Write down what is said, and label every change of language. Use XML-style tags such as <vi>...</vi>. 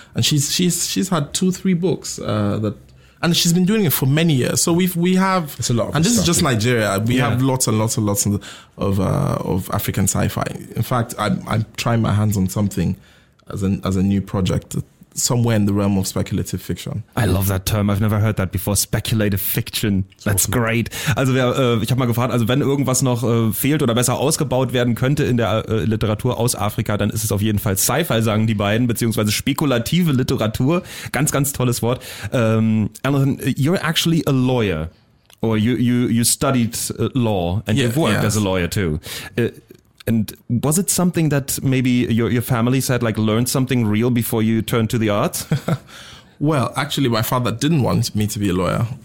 <en>And she's had 2-3 books and she's been doing it for many years. So we have... It's a lot of And this stuff, is just Nigeria. We have lots and lots of African sci-fi. In fact, I'm trying my hands on something as a new project somewhere in the realm of speculative fiction. I love that term. I've never heard that before. Speculative fiction. That's awesome. Great.</en> <de>Also ich habe mal gefragt, also wenn irgendwas noch fehlt oder besser ausgebaut werden könnte in der Literatur aus Afrika, dann ist es auf jeden Fall Sci-Fi, sagen die beiden, beziehungsweise spekulative Literatur. Ganz, ganz tolles Wort.</de> <en>Alison, you're actually a lawyer or you studied law and you've worked as a lawyer too. And was it something that maybe your family said, like, learned something real before you turned to the arts? Well, actually, my father didn't want me to be a lawyer.</en>